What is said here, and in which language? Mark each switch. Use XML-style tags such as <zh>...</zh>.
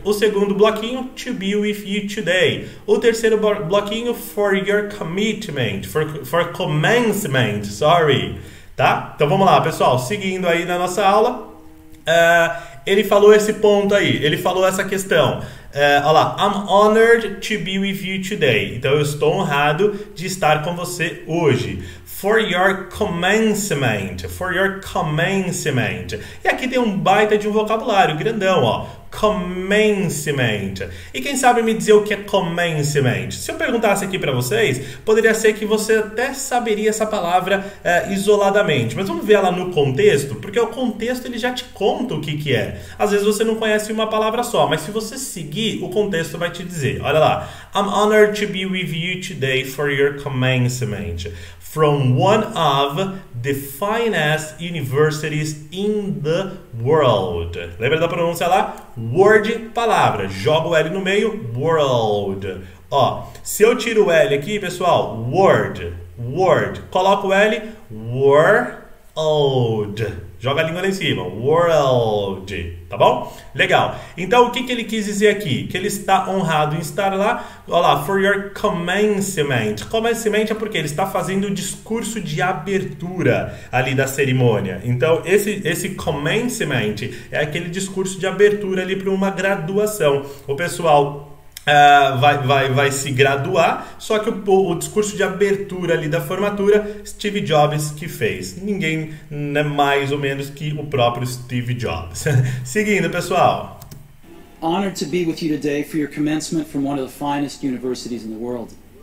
<pt>O segundo bloquinho,</pt> <en>to be with you today.</en> <pt>O terceiro bloquinho,</pt> <en>for your commitment, for commencement, sorry.</en> <pt>Tá? Então vamos lá, pessoal. Seguindo aí na nossa aula, ele falou esse ponto aí, ele falou essa questão. Olha lá,</pt> <en>I'm honored to be with you today.</en> <pt>Então eu estou honrado de estar com você hoje.</pt> <en>For your commencement, for your commencement.</en> <pt>E aqui tem um baita de um vocabulário grandão, ó. Commencement. E quem sabe me dizer o que é commencement? Se eu perguntasse aqui para vocês, poderia ser que você até saberia essa palavra isoladamente. Mas vamos ver ela no contexto, porque o contexto ele já te conta o que é. Às vezes você não conhece uma palavra só, mas se você seguir, o contexto vai te dizer. Olha lá.</pt> <en>I'm honored to be with you today for your commencement. From one of the finest universities in the world.</en> <pt>Lembra da pronúncia lá? Word, palavra. Joga o L no meio.</pt> <en>World.</en> <pt>Ó, se eu tiro o L aqui, pessoal, word, word. Coloca o L, world. Joga a língua lá em cima. World. Tá bom? Legal. Então, o que que ele quis dizer aqui? Que ele está honrado em estar lá. Olha lá,</pt> <en>for your commencement.</en> <pt>Commencement é porque ele está fazendo o discurso de abertura ali da cerimônia. Então, esse commencement é aquele discurso de abertura ali para uma graduação. O pessoal vai se graduar, só que o discurso de abertura ali da formatura, Steve Jobs que fez. Ninguém é, né, mais ou menos que o próprio Steve Jobs. Seguindo, pessoal.</pt> <en>Honored to be with you today for your commencement from one of the finest universities in the world.</en>